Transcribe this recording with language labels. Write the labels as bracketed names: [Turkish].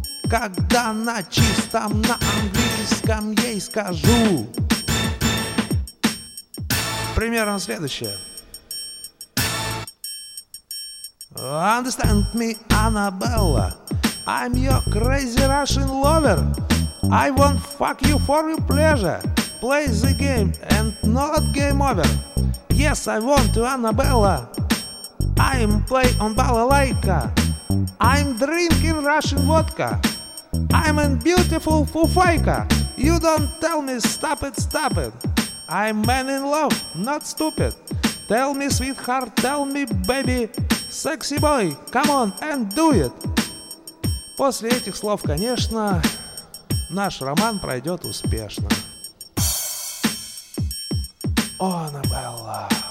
[Russian] Когда на чистом на английском ей скажу примерно следующее: [English] understand me, Аннабелла, I'm your crazy Russian lover. I won't fuck you for your pleasure. Play the game and not game over. Yes, I want you, Аннабелла. I'm play on balalaika. I'm drinking Russian vodka. I'm in beautiful fufaika. You don't tell me stop it, stop it. I'm man in love, not stupid. Tell me, sweetheart, tell me, baby. Sexy boy, come on and do it. [Russian] После этих слов, конечно, наш роман пройдет успешно. О, Аннабелла.